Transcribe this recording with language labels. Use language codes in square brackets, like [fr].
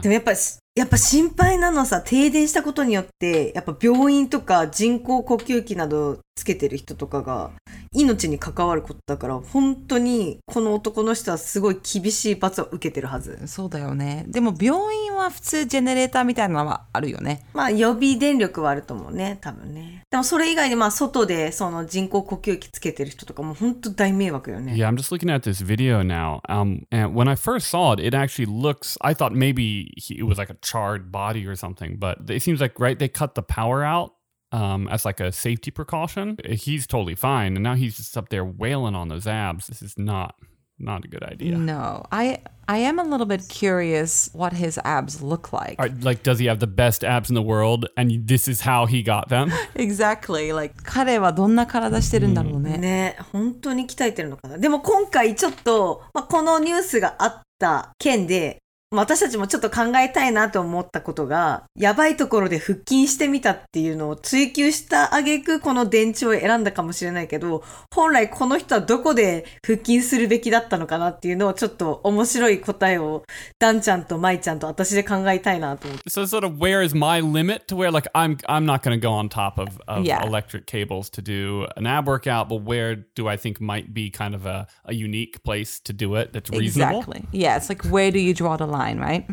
[ja] でもやっぱ心配なのさ、停電したことによってやっぱ病院とか人工呼吸器などつけてる人とかが命に関わることだから、本当にこの男の人はすごい厳しい罰を受けてるはず。そうだよね。でも病院は普通ジェネレーターみたいなのはあるよね。まあ予備電力はあると思うね、多分ね。でもそれ以外にまあ外でその人工呼吸器つけてる人とかも本当大迷惑よね。 [en] Yeah, I'm just looking at this video now. And when I first saw it, it actually looks, I thought maybe it was like a charred body or something, but it seems like right they cut the power outas like a safety precaution. He's totally fine. And now he's just up there wailing on those abs. This is not a good idea. No. I am a little bit curious what his abs look like. Like, does he have the best abs in the world and this is how he got them? Exactly. Like, [ja] 彼はどんな体してるんだろうね。ね、本当に鍛えてるのかな。でも今回ちょっと、まあ、このニュースがあった件で、私たちもちょっと考えたいなと思ったことが、やばいところで腹筋してみたっていうのを追求した挙句この電池を選んだかもしれないけど、本来この人はどこで腹筋するべきだったのかなっていうのを、ちょっと面白い答えをダンちゃんとマイちゃんと私で考えたいなと思って。 [en] So sort of where is my limit to where like I'm not going to go on top of yeah. electric cables to do an ab workout, but where do I think might be kind of a unique place to do it that's reasonable? Exactly. Yeah, it's like where do you draw the line, right?